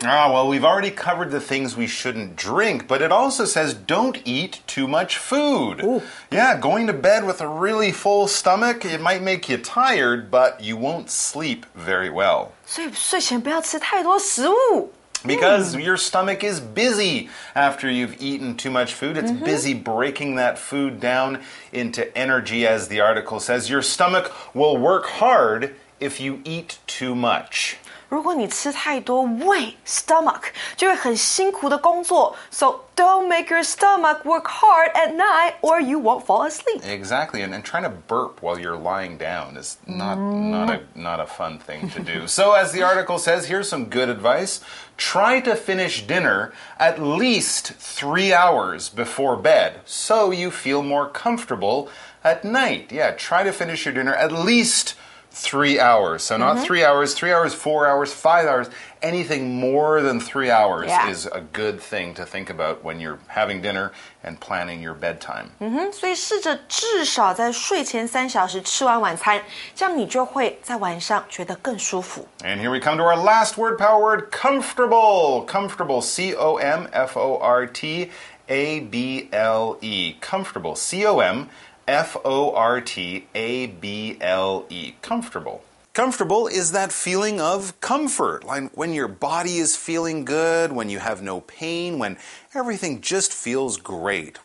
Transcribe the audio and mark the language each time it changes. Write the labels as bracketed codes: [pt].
[en] Well, we've already covered the things we shouldn't drink, but it also says don't eat too much food. Ooh. Yeah, going to bed with a really full stomach, it might make you tired, but you won't sleep very well. [zh] 所以睡前不要吃太多食物。 [en] Because your stomach is busy after you've eaten too much food. It's busy breaking that food down into energy, as the article says. Your stomach will work hard if you eat too much. [zh] 如果你吃太多，胃 stomach 就会很辛苦的工作。 [en] So don't make your stomach work hard at night or you won't fall asleep. Exactly. And trying to burp while you're lying down is not a fun thing to do. So as the article says, here's some good advice. Try to finish dinner at least 3 hours before bed so you feel more comfortable at night. Yeah, try to finish your dinner at least 3 hours. So not 3 hours, 3 hours, 4 hours, 5 hours. Anything more than 3 hours is a good thing to think about when you're having dinner and planning your bedtime. [zh] 所以试着至少在睡前三小时吃完晚餐，这样你就会在晚上觉得更舒服。 [en] And here we come to our last word, power word, comfortable. Comfortable, C-O-M-F-O-R-T-A-B-L-E. Comfortable, C-O-M-F-O-R-T-A-B-L-E. Comfortable. Comfortable is that feeling of comfort, like when your body is feeling good, when you have no pain, when everything just feels great.